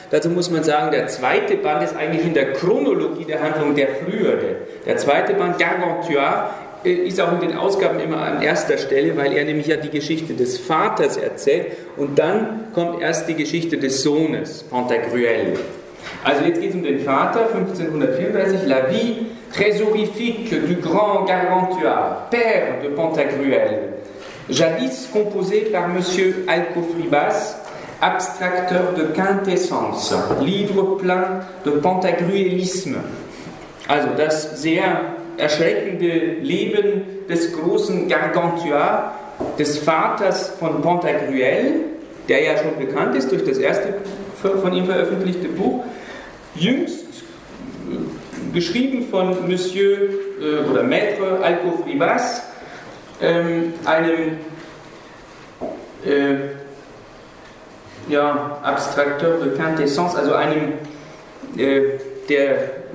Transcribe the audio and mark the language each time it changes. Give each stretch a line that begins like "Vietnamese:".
German: Dazu muss man sagen, der zweite Band ist eigentlich in der Chronologie der Handlung der frühere. Der zweite Band, Gargantua, ist auch in den Ausgaben immer an erster Stelle, weil er nämlich ja die Geschichte des Vaters erzählt und dann kommt erst die Geschichte des Sohnes, Pantagruel. Also jetzt geht es um den Vater,
French: 1534, La vie très horrifique du grand Gargantua, père de Pantagruel, jadis composé par Monsieur Alcofribas, abstracteur de quintessence, livre plein de pantagruelisme.
German: Also das sehr erschreckende Leben des großen Gargantua, des Vaters von Pantagruel, der ja schon bekannt ist durch das erste von ihm veröffentlichte Buch, jüngst geschrieben von Monsieur oder Maître Alcofribas, einem
French: Abstracteur de Quintessence,
German: also einem der.